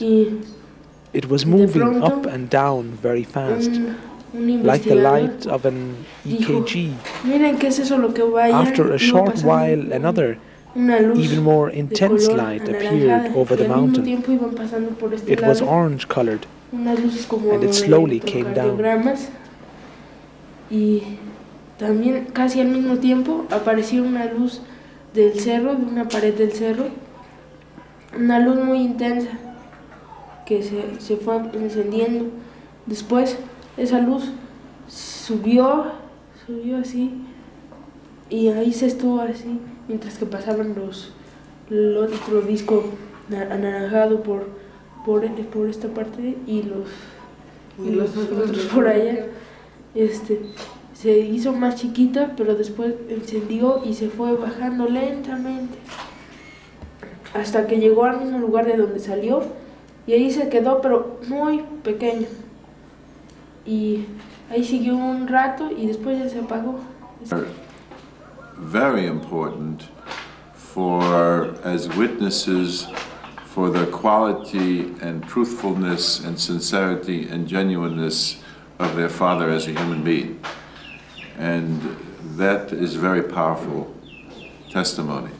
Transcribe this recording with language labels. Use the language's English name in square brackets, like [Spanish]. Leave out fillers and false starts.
[English] It was moving up and down very fast, like the light of an EKG. After a short while, another even more intense light appeared over the mountain. It was orange colored and it slowly came down. [Spanish] Y también casi al mismo tiempo apareció una luz del cerro, de una pared del cerro. Una luz muy intensa que se fue encendiendo. Después esa luz subió así y ahí se estuvo así. Mientras que pasaban el otro disco anaranjado por esta parte y los otros por allá. Se hizo más chiquita, pero después encendió y se fue bajando lentamente. Hasta que llegó al mismo lugar de donde salió. Y ahí se quedó, pero muy pequeño. Y ahí siguió un rato y después ya se apagó. [English] Very important for as witnesses for the quality and truthfulness and sincerity and genuineness of their father as a human being. And that is very powerful testimony.